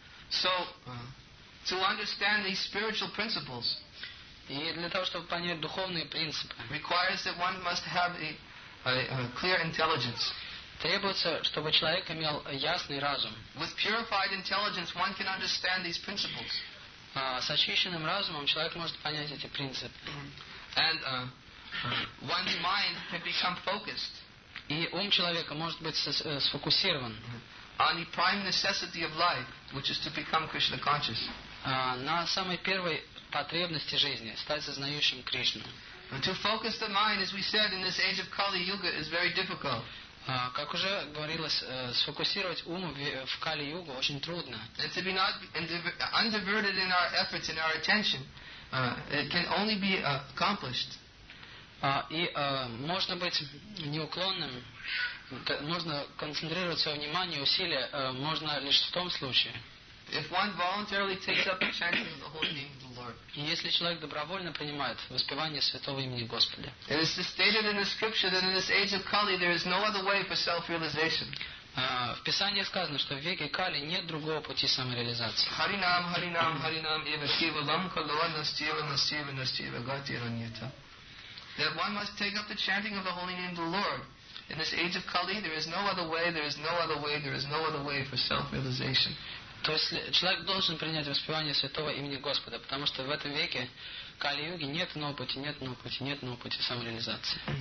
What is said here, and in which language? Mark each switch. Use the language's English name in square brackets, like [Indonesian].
[English] So, to understand these spiritual principles, [Russian] и для того, чтобы понять духовные принципы, [English] requires that one must have a clear intelligence. [Russian] Требуется, чтобы человек имел ясный разум. [English] With purified intelligence, one can understand these principles. [Russian] С очищенным разумом человек может понять эти принципы. [English] And one's mind can become focused. [Russian] И ум человека может быть сфокусирован. [English] On the prime necessity of life, which is to become Krishna conscious. [Russian] На самой первой потребности жизни, стать сознающим Кришну. [English] To focus the mind, as we said, in this age of Kali Yuga, is very difficult. [Russian] Как уже говорилось, сфокусировать ум в Кали Югу очень трудно. [English] And to be not undiverted in our efforts and our attention. It can only be accomplished. [Russian] Можно быть неуклонным, можно концентрировать свое внимание, усилия, можно лишь в том случае. [English] If one voluntarily takes up chanting the holy name of the Lord. [Russian] Если человек добровольно принимает воспевание святого имени Господа. [English] It is stated in the scripture that in this age of Kali there is no other way for self-realization. [Russian] В Писании сказано, что в веке Кали нет другого пути самореализации. [Sanskrit] Харинам, харинам, харинам, ива сива лам калава настива настива настива гати раньята. [English] That one must take up the chanting of the holy name of the Lord. In this age of Kali, there is no other way, there is no other way, there is no other way for self-realization. [Russian] То есть человек должен принять воспевание святого имени Господа, потому что в этом веке Кали-юги нет нового пути, нет нового пути, нет нового пути самореализации.